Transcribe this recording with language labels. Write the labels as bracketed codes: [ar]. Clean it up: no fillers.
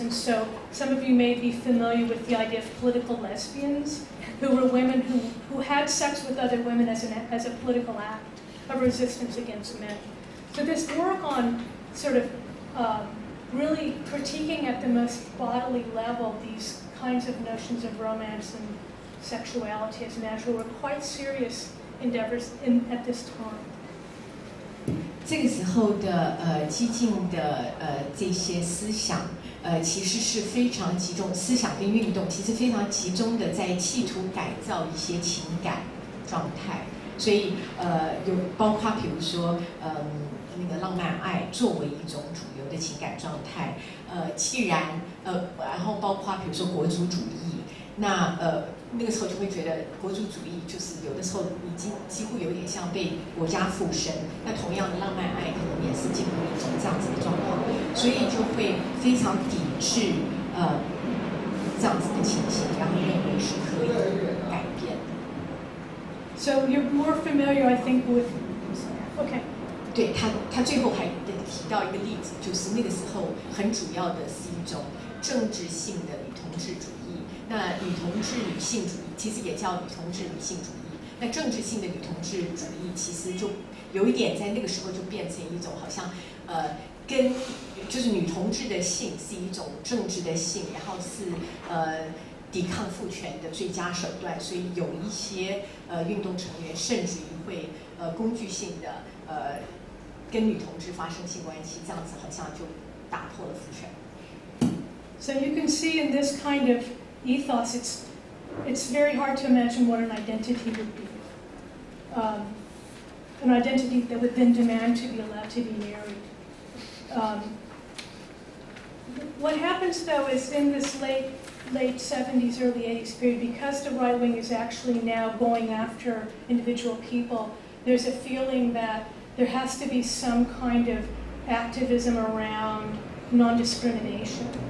[en] And so some of you may be familiar with the idea of political lesbians, who were women who had sex with other women as a political act of resistance against men. So this work on sort of really critiquing at the most bodily level theseKinds of notions of romance and sexuality as natural were quite serious endeavors in at this time. [zh] 这个时候的激进的这些思想其实是非常集中，思想跟运动其实非常集中的在企图改造一些情感状态，所以有包括比如说那个浪漫爱作为一种主流的情感状态，既然然后包括比如说国族主义，那个时候就会觉得国族主义就是有的时候已经几乎有点像被国家附身，那同样的浪漫爱可能也是进入一种这样子的状况，所以就会非常抵制这样子的情形，然后认为是可以改变的。 [en] So you're more familiar, I think, with okay. [zh] 对他最后还提到一个例子，就是那个时候很主要的是一种政治性的女同志主义。那女同志女性主义其实也叫女同志女性主义。那政治性的女同志主义其实就有一点在那个时候就变成一种好像跟就是女同志的性是一种政治的性，然后是抵抗父权的最佳手段，所以有一些运动成员甚至于会工具性的跟女同志发生性关系，这样子好像就打破了父权。 [en] So you can see in this kind of ethos, it's very hard to imagine what an identity would be. An identity that would then demand to be allowed to be married. What happens though is in this late 70s, early 80s period, because the right wing is actually now going after individual people, there's a feeling that there has to be some kind of activism around non-discrimination.